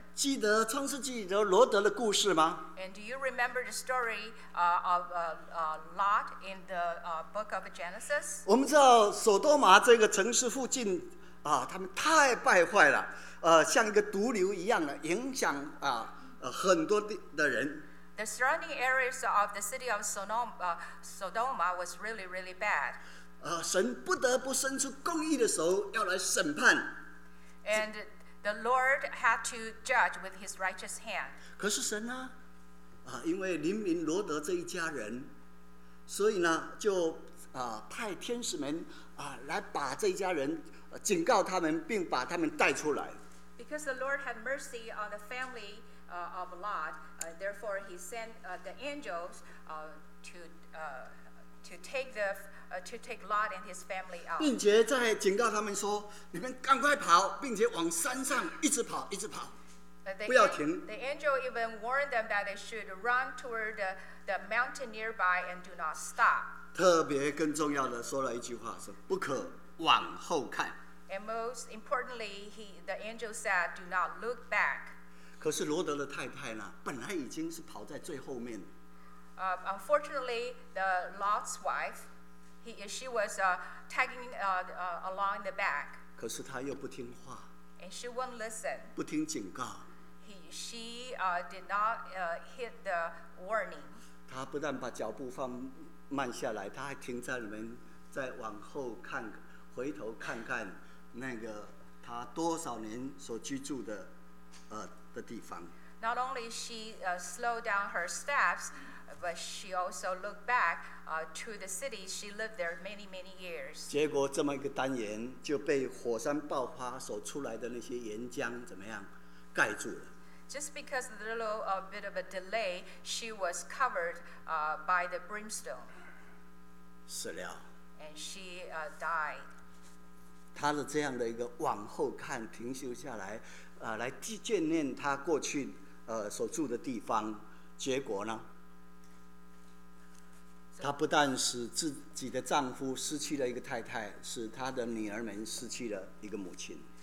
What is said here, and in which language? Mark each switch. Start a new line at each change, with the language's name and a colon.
Chinese: 记得创世纪的罗德的故事吗
English: ？And do you remember the story of Lot in the book of Genesis?
Chinese: 我们知道索多玛这个城市附近他们太败坏了，像一个毒瘤一样的影响很多的人。
English: The surrounding areas of the city of Sodoma was really, really bad.
Chinese: 神不得不伸出公义的手要来审判。
English: And the Lord had to judge with his righteous hand.
Chinese: 可是神呢？因为怜悯罗德这一家人，所以呢，就派天使们来把这一家人警告他们，并把他们带出来。
English: Because the Lord had mercy on the family of Lot, therefore he sent the angels to take Lot and his family out.
Chinese: 并且在警告他们说，你们赶快跑，并且往山上一直跑，不要停。
English: The angel even warned them that they should run toward the mountain nearby and do not stop.
Chinese: 特别更重要的说了一句话，是不可往后看。
English: And most importantly, the angel said, "Do not look back."
Chinese: 可是罗德的太太呢，本来已经是跑在最后面。
English: Unfortunately, the Lot's wife, she was tagging along the back.
Chinese: 可是她又不听话。
English: And she won't listen.
Chinese: 不听警告。
English: She did not heed the warning.
Chinese: 她不但把脚步放慢下来，她还停在里面，再往后看，回头看看。那个他多少年所居住的的地方。
English: Not only she slowed down her steps, but she also looked back to the city she lived there many many years.
Chinese: 结果这么一个单元就被火山爆发所出来的那些岩浆怎么样盖住了。
English: Just because of a little bit of a delay, she was covered by the brimstone.
Chinese: 死了。
English: And she died.
Chinese: 他的这样的一个往后看停休下来来眷念他过去所住的地方，结果呢，他不但使自己的丈夫失去了一个太太，使他的女儿们失去了一个母亲。